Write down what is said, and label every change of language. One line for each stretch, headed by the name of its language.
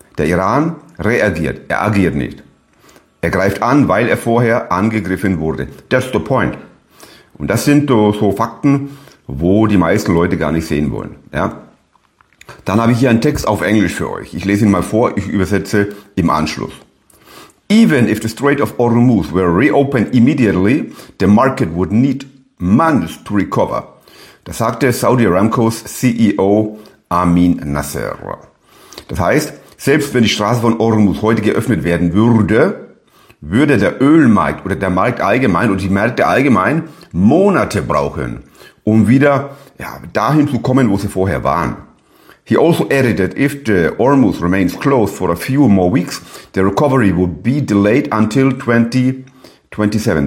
German: Der Iran reagiert, er agiert nicht. Er greift an, weil er vorher angegriffen wurde.
English: That's the point.
German: Und das sind so Fakten, wo die meisten Leute gar nicht sehen wollen. Ja? Dann habe ich hier einen Text auf Englisch für euch. Ich lese ihn mal vor, ich übersetze im Anschluss.
English: Even if the Strait of Ormuz were reopened immediately, the market would need months to recover.
German: Das sagte Saudi Aramcos CEO Amin Nasser. Das heißt, selbst wenn die Straße von Ormuz heute geöffnet werden würde, würde der Ölmarkt oder der Markt allgemein und die Märkte allgemein Monate brauchen, um wieder dahin zu kommen, wo sie vorher waren.
English: He also added that if the Ormuz remains closed for a few more weeks, the recovery would be delayed until 2027.